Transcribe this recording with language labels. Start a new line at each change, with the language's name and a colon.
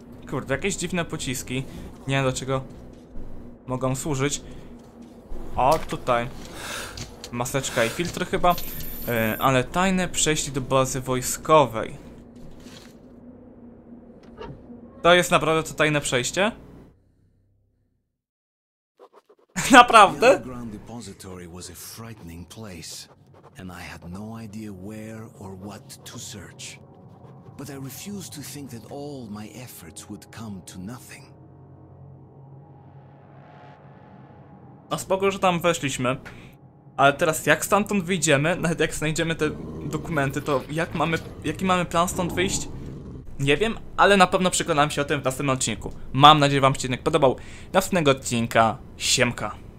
Polish: Kurde, jakieś dziwne pociski. Nie wiem, do czego mogą służyć. O, tutaj. Maseczka i filtr chyba. Ale tajne przejście do bazy wojskowej. To jest naprawdę to tajne przejście? Naprawdę?
English: Underground depository was a frightening place, and I had no idea where or what to search. But I refused to think that all my efforts would come to nothing.
Polish: A spoko, że tam weszliśmy. Ale teraz jak stamtąd wyjdziemy, nawet jak znajdziemy te dokumenty, to jaki mamy plan stąd wyjść? Nie wiem, ale na pewno przekonam się o tym w następnym odcinku. Mam nadzieję, że wam się jednak podobał. Następnego odcinka, siemka.